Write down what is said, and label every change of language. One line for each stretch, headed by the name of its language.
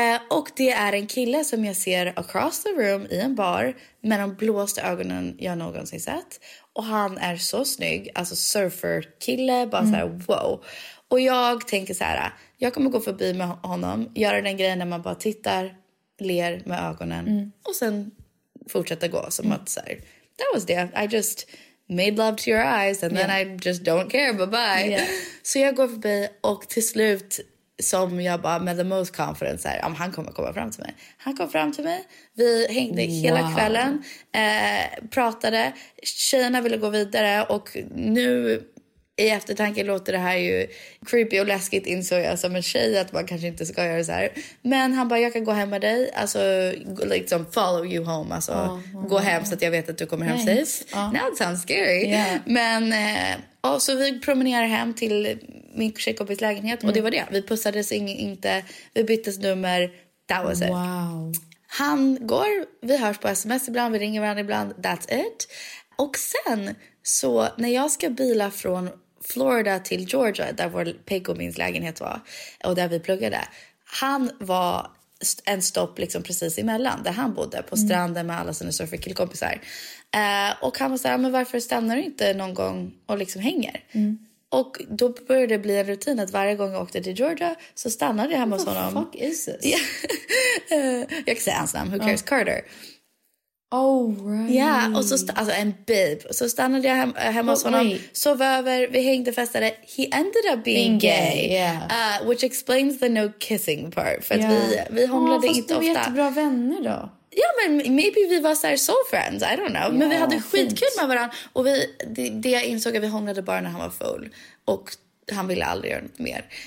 Swedish: Och det är en kille som jag ser across the room i en bar med de blåsta ögonen jag någonsin sett. Och han är så snygg, alltså surfer kille, bara så här, wow. Och jag tänker så här, jag kommer gå förbi med honom, göra den grejen när man bara tittar, ler med ögonen och sen fortsätta gå som att så här,
English: that was it. I just made love to your eyes and then I just don't care, bye bye.
Swedish: Så jag går förbi och till slut, som jag bara med
English: the most confidence,
Swedish: här, han kommer komma fram till mig. Han kom fram till mig, vi hängde hela kvällen, pratade, tjejerna ville gå vidare och nu i eftertanke låter det här ju creepy och läskigt, insåg jag som en tjej att man kanske inte ska göra så här. Men han bara, jag kan gå hem med dig, alltså liksom
English: follow you home,
Swedish: alltså gå hem så att jag vet att du kommer hem safe.
English: Now it sounds scary.
Swedish: Men och så vi promenerar hem till min tjejkompis lägenhet och det var det. Vi pussades inte, vi byttes nummer,
English: that was it.
Swedish: Wow. Han går, vi hörs på sms ibland, vi ringer varandra ibland,
English: that's it.
Swedish: Och sen så när jag ska bila från Florida till Georgia, där vår Peggy och min lägenhet var och där vi pluggade, han var en stopp liksom precis emellan där han bodde på stranden med alla sina surferkillkompisar. Och han var så här, men varför stannar du inte någon gång och liksom hänger? Och då började det bli en rutin att varje gång jag åkte till Georgia så stannade jag hemma hos honom.
English: What the fuck is this?
Swedish: Jag kan säga hans namn,
English: who cares,
Swedish: Carter.
English: Oh, right.
Swedish: Och så alltså en babe. Så stannade jag hemma hos honom, sov över, vi hängde och festade.
English: He ended up being gay. Which explains the no kissing part.
Swedish: För att vi hånglade inte ofta. Fast du var jättebra vänner då. Ja, men maybe vi var så här soul friends,
English: I don't know.
Swedish: Men vi hade skitkul med varandra. Och det jag insåg är att vi hånglade bara när han var full. Och han ville aldrig göra något mer.